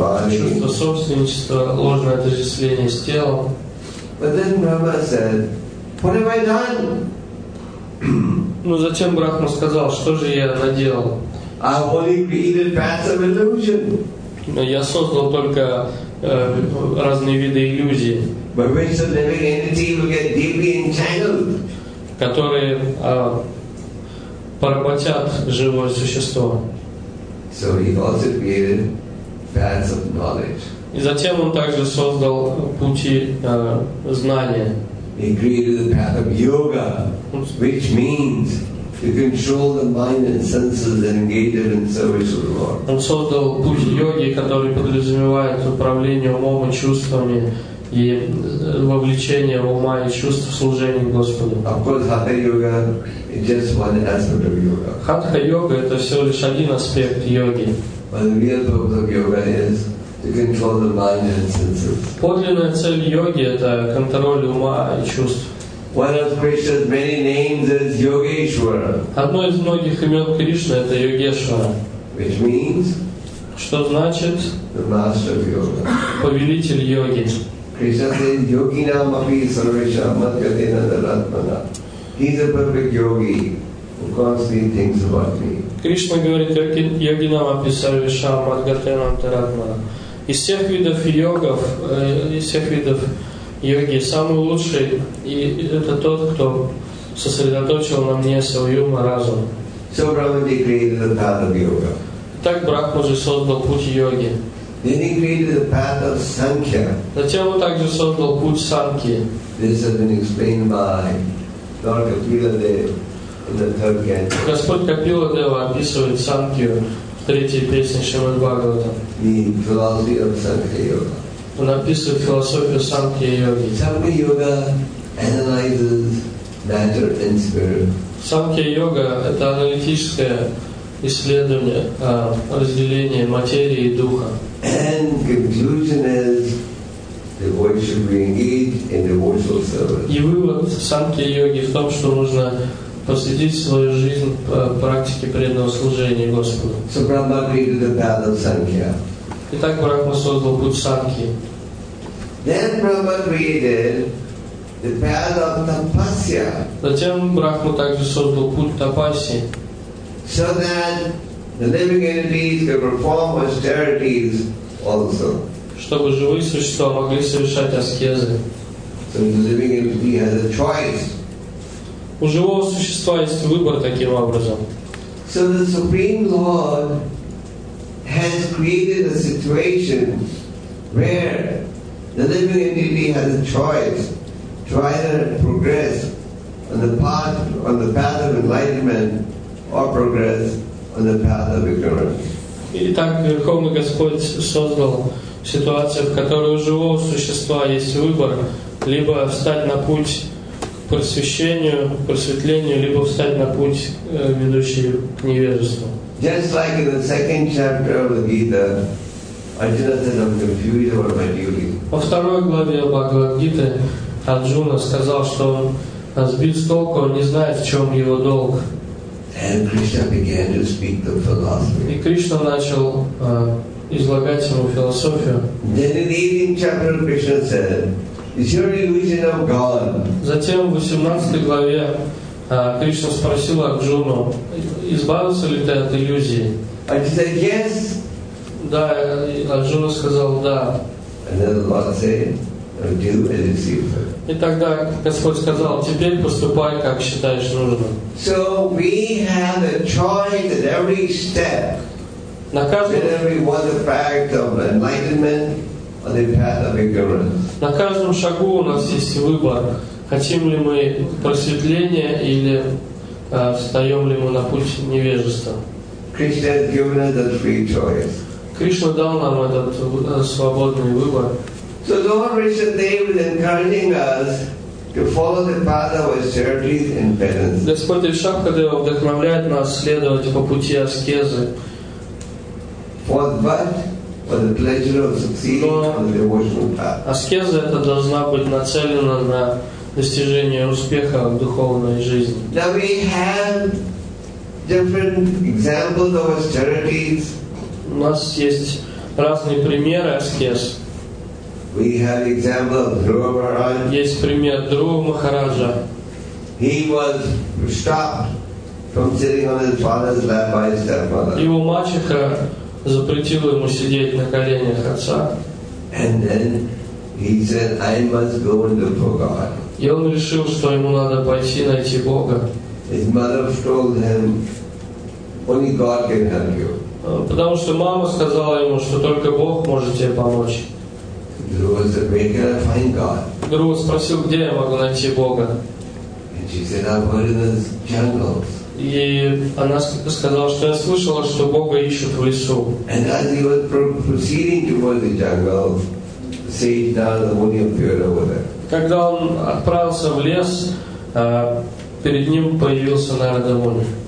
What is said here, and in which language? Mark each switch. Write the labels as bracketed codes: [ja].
[ru] чувство собственничества, ложное отождествление с телом. [en] But then Brahma said, "What have I done?" [ru] Ну затем Брахма сказал, что же я наделал? [en] I've only created paths of illusion. [ru] Я создал только разные виды иллюзий. [en] By which the living entity will get deeply entangled. [ru] Которые поработят живое существо. [en] So he also created paths of knowledge. [ru] И затем он также создал пути знания. [en] He created the path of yoga, which means to control the mind and senses and engage in service with the Lord. [ru] Он создал путь йоги, который подразумевает управление умом и чувствами и вовлечение ума и чувств в служении Господу. [en] Of course, Hatha-yoga is just one aspect of yoga. [ru] Хатха-йога — это всего лишь один аспект йоги. [en] But the real purpose of yoga is to control the mind and senses. [ru] Подлинная цель йоги — это контроль ума и чувств. [en] One of Krishna's many names is Yogeshwara. [ru] Одно из многих имен Кришны — это Йогешвара. [en] Which means? [ru] Что значит? [en] The master of yoga. [ru] Повелитель йоги. [sa] Krishnate yoginam api sarvesha madgatena daratmana. [en] He's a perfect yogi who constantly thinks about me. [sa] Krishna [ru] говорит, [sa] yoginam api sarvesha madgatena daratmana. [ru] Из всех видов йогов, из всех видов йоги, самый лучший, и это тот, кто сосредоточил на мне свой ум и разум. [en] So Brahma created the path of yoga. [ru] Так Брахма же создал путь йоги. [en] Then he created the path of Sankhya. [ru] Затем он также создал путь Санки. [en] This has been explained by Lord Kapiladeva in the third canto. [ru] Господь Капиладева описывает Санкью в третьей песне Шримад Бхагавата. [en] The philosophy of Sankhya Yoga. [ru] Он описывает философию Санкья Йоги. [en] Sankhya Yoga analyzes matter and spirit. [ru] Санкья Йога — это аналитическое исследование разделения материи и духа. [en] And conclusion is the boy should be engaged in devotional service. [ru] И вывод Санкья Йоги в том, что нужно посвятить свою жизнь по практике преданного служения Господу. [en] So Brahma created the path of Sankhya. [ru] Итак, Брахма создал путь Санкхи. [en] Then Brahma created the path of Tapasya. [ru] Затем Брахма также создал путь Тапаси. [en] So that the living entities can perform austerities also. [ru] Чтобы живые существа могли совершать аскезы. [en] So the living entity has a choice. [ru] У живого существа есть выбор таким образом. [en] So the Supreme Lord has created a situation where the living entity has a choice to either progress on the path of enlightenment or progress on the path of ignorance. [ru] Итак, Верховный Господь создал ситуацию, в которой у живого существа есть выбор либо встать на путь к просвещению, к просветлению, либо встать на путь, ведущий к невежеству. [en] Just like in the second chapter of the Gita, Arjuna said, I'm confused about my duty. [ru] Во второй главе Бхагавад Гиты Арджуна сказал, что он сбит с толку, он не знает, в чем его долг. [en] And Krishna began to speak the philosophy. [ru] И Кришна начал излагать ему философию. [en] Then in the 18th chapter, Krishna said, is your illusion of God? [ru] Затем в 18 главе Кришна спросил Арджуну, избавился ли ты от иллюзии? [en] Arjuna said, yes. [ru] Да, Арджуна сказал, да. [en] And then the Lord said, do as you see fit. [ru] И тогда Господь сказал, теперь поступай, как считаешь нужным. [en] So we have a choice at every step. [ru] На каждом... [en] In every one fact of enlightenment or the path of ignorance. [ru] На каждом шагу у нас есть выбор. Хотим ли мы просветления или встаем ли мы на путь невежества? [en] Krishna has given us a free choice. [ru] Кришна дал нам этот свободный выбор. [en] So Lord Vishnudeva is encouraging us to follow the path of austerity and penance. [ru] Господь Вишакхадева вдохновляет нас следовать по пути аскезы. [en] For the pleasure of succeeding on the devotional path. [ru] Аскеза эта должна быть нацелена на достижение успеха в духовной жизни. [en] Now we have different examples of austerities. [ru] У нас есть разные примеры аскез. [en] We have example of Dhruva Maharaj. [ru] Есть пример Дхрува Махараджа. [en] He was stopped from sitting on his father's lap by his stepmother. [ru] Его мачеха запретила ему сидеть на коленях отца. [en] And then he said, I must go and look for God. [ru] И он решил, что ему надо пойти найти Бога. [en] His mother told him, only God can help you. [ru] Потому что мама сказала ему, что только Бог может тебе помочь. [en] Dhruva said, where can I find God? [ru] Dhruva спросил, где я могу найти Бога. [en] And she said, I've heard in the jungles. [ru] И она сказала, что я слышала, что Бога ищут в лесу. [en] And as he was proceeding towards the jungle, the sage Narada Muni appeared over there. [ru] Когда он отправился в лес, перед ним появился Нарада Муни.